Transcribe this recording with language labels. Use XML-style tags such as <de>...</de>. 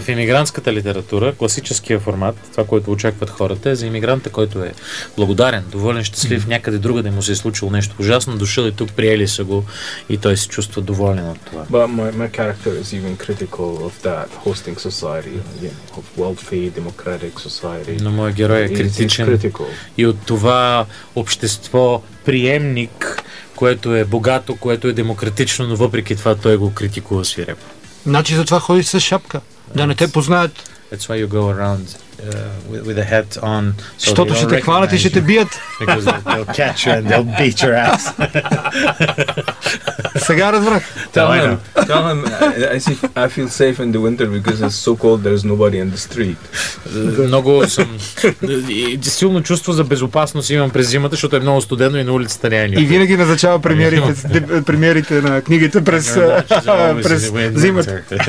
<bg>В имигрантската литература, класическия формат, това, което очакват хората, е за имигранта, който е благодарен, доволен, щастлив, някъде другаде му се е случило нещо ужасно, дошъл и тук, приели са го и той се чувства доволен от това.</bg> <en>But my character is even critical of that hosting society, of wealthy democratic society.</en> <bg>Но моя герой е критичен и от това общество, приемник, което е богато, което е демократично, но въпреки това той го критикува свирепо. Значи за това ходи с шапка, да не те познаят.</bg> <en>That's why you go around with a hat on.</en> <bg>Защото ще те хванат и ще те бият.</bg> <en>Because they'll catch you and they'll beat your ass.</en> <bg>Сега разбрах.</bg> <en>Tell him, I feel safe in the winter because it's so cold, there's nobody in the street.</en> <bg>Много съм... Силно чувство за безопасност имам през зимата, защото е много студено и на улицата няма никой. И винаги назначава премиерите на книгите през зимата.</bg>